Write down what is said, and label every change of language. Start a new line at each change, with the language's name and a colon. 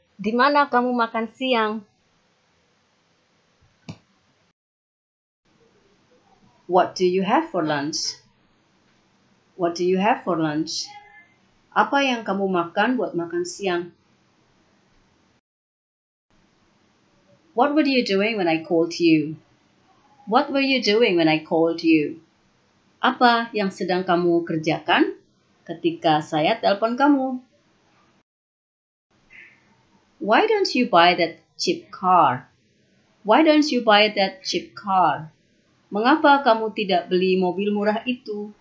Indonesian: Di mana kamu makan siang?
English: What do you have for lunch? What do you have for lunch?
Indonesian: Apa yang kamu makan buat makan siang?
English: What were you doing when I called you? What were you doing when I called you?
Indonesian: Apa yang sedang kamu kerjakan ketika saya telepon kamu?
English: Why don't you buy that cheap car? Why don't you buy that cheap car?
Indonesian: Mengapa kamu tidak beli mobil murah itu?